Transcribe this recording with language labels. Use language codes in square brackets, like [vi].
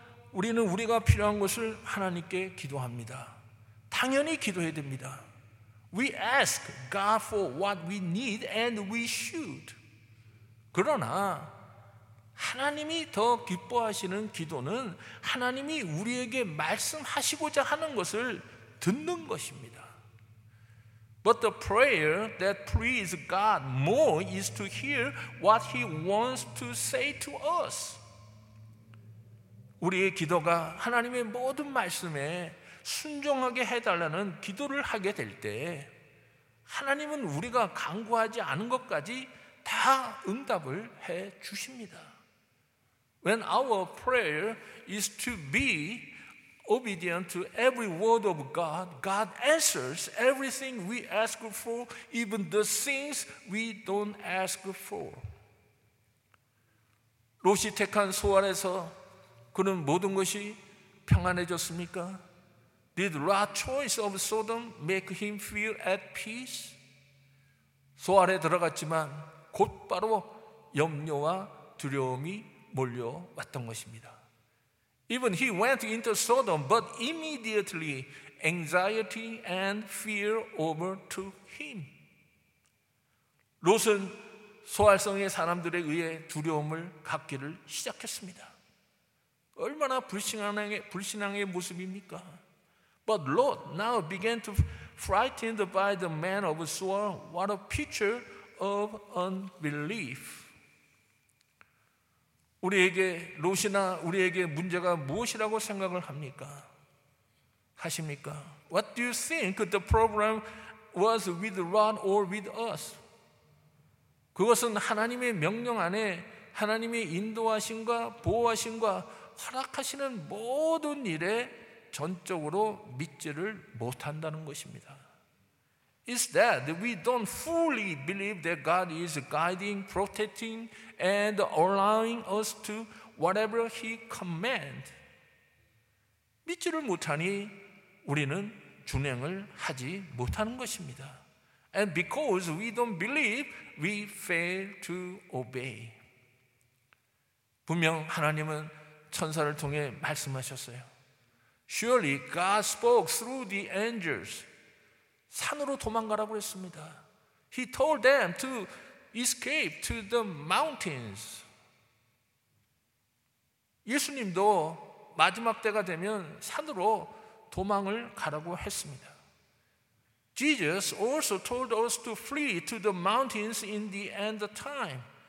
[ko] 우리는 우리가 필요한 것을 하나님께 기도합니다. 당연히 기도해야 됩니다. [en] We ask God for what we need and we should. [ko] 그러나 하나님이 더 기뻐하시는 기도는 하나님이 우리에게 말씀하시고자 하는 것을 듣는 것입니다. [en] But the prayer that pleases God more is to hear what He wants to say to us. [ko] 우리의 기도가 하나님의 모든 말씀에 순종하게 해달라는 기도를 하게 될 때 하나님은 우리가 간구하지 않은 것까지 다 응답을 해 주십니다. [en] When our prayer is to be obedient to every word of God, God answers everything we ask for, even the things we don't ask for. [ko] 롯이 택한 소알에서 그는 모든 것이 평안해졌습니까? [en] Did Lot's choice of Sodom make him feel at peace? [ko] 소알에 들어갔지만 곧바로 염려와 두려움이 몰려왔던 것입니다. [en] Even he went into Sodom, but immediately anxiety and fear overtook him. [ko] 롯은 소알성의 사람들에 의해 두려움을 갖기를 시작했습니다. 얼마나 불신앙의 모습입니까? [en] But Lot now began to frightened by the man of Soar. What a picture of unbelief. [ko] 우리에게 롯이나 우리에게 문제가 무엇이라고 생각을 하십니까? [en] What do you think the problem was with Lot or with us? [ko] 그것은 하나님의 명령 안에 하나님의 인도하심과 보호하심과 허락하시는 모든 일에 전적으로 믿지를 못한다는 것입니다. [en] Is that we don't fully believe that God is guiding, protecting, and allowing us to whatever He commands. [ko] 믿지를 못하니 우리는 준행을 하지 못하는 것입니다. [en] And because we don't believe, we fail to obey. [ko] 분명 하나님은 천사를 통해 말씀하셨어요. [en] Surely God spoke through the angels. [ko] 산으로 도망가라고 했습니다. [en] He told them to escape to the mountains. [ko] 예수님도 마지막 때가 되면 산으로 도망을 가라고 했습니다. [en] Jesus also told us to flee to the mountains in the end of time.